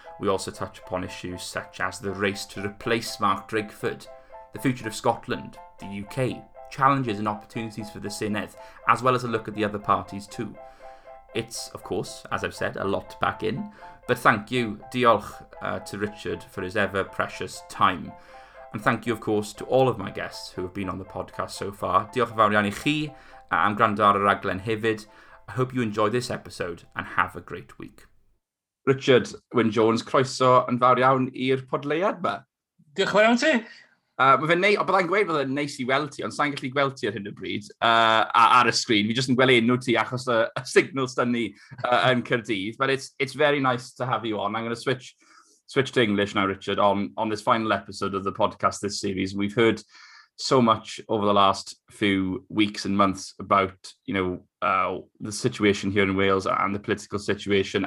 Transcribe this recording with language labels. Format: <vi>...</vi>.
<en>We also touch upon issues such as the race to replace Mark Drakeford, the future of Scotland, the UK, challenges and opportunities for the Senedd, as well as a look at the other parties too. It's, of course, as I've said, a lot to pack in, but thank you, diolch, to Richard for his ever precious time. And thank you, of course, to all of my guests who have been on the podcast so far.</en> <cy>Diolch yn fawr iawn I chi am gwrando ar y raglen hefyd.</cy> <en>I hope you enjoy this episode and have a great week.</en> <cy>Richard Wynne-Jones, croeso yn fawr iawn i'r podleiad yma. Diolch yn fawr iawn ti. Byddai'n neis I weld ti, ond sa'n gallu gweld ti ar hyn o bryd ar y sgrin. Fi jyst yn gweld enw ti achos y signal stynn ni yn Caerdydd.</cy> <en>But it's very nice to have you on. I'm going to switch to English now, Richard, on this final episode of the podcast this series. We've heard so much over the last few weeks and months about, you know, the situation here in Wales and the political situation.</en>